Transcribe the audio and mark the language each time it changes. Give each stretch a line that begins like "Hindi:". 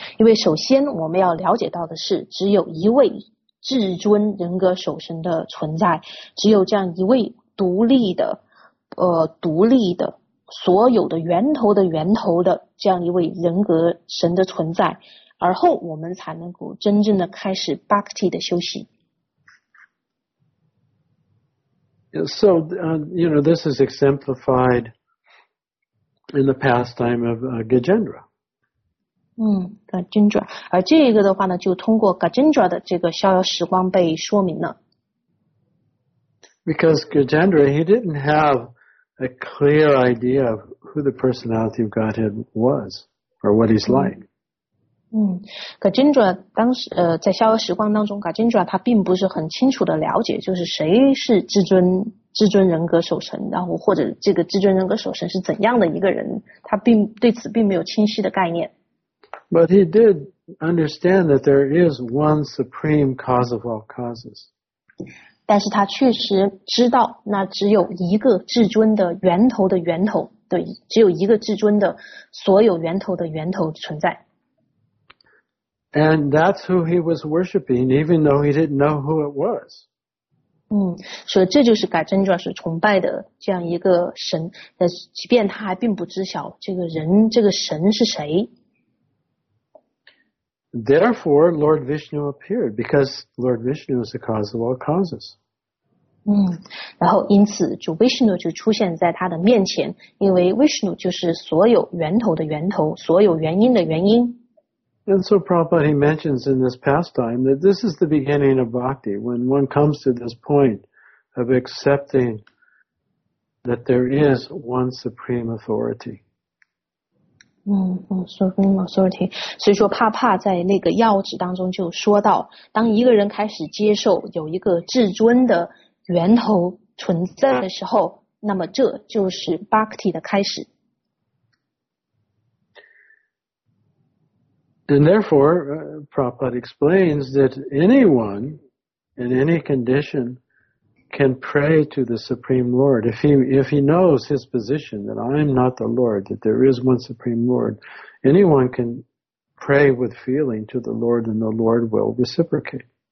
Chinese: 因为首先我们要了解到的是只有一位至尊人格守神的存在，只有这样一位独立的独立的所有的源头的源头的这样一位人格神的存在，而后我们才能够真正的开始 bhakti 的修行。
English: So, you know, this is exemplified in the pastime of Gajendra.
Chinese: Gajendra. 而这个的话呢，就通过 Gajendra 的这个逍遥时光被说明了。
English: Because Gajendra, he didn't have a clear idea of who the personality of Godhead was or what he's like.
Chinese: Gajendra 当时在逍遥时光当中 ，Gajendra 他并不是很清楚的了解，就是谁是至尊人格守神，然后或者这个至尊人格守神是怎样的一个人，他并对此并没有清晰的概念。
English: But he did understand that there is one supreme cause of all causes.
Chinese: 但是他确实知道，那只有一个至尊的源头的源头，对，只有一个至尊的所有源头的源头存在。
English: And that's who he was worshiping, even though he didn't know who it was.
Chinese: 所以这就是Gajendra是崇拜的这样一个神，即便他还并不知晓这个人，这个神是谁。
English: Therefore, Lord Vishnu appeared, because Lord Vishnu is the cause of all causes.
Chinese: 然后因此主 Vishnu 就出现在他的面前，因为 Vishnu 就是所有源头的源头，所有原因的原因。
English: And so Prabhupada, he mentions in this pastime that this is the beginning of bhakti, when one comes to this point of accepting that there is one supreme authority. Supreme authority.
Chinese: 所以说帕帕在那个要旨当中就说到，当一个人开始接受有一个至尊的源头存在的时候，那么这就是 bhakti 的开始。
English: And therefore, Prabhupada explains that anyone in any condition can pray to the Supreme Lord. If he knows his position, that I am not the Lord, that there is one Supreme Lord, anyone can pray with feeling to the Lord and the Lord will reciprocate.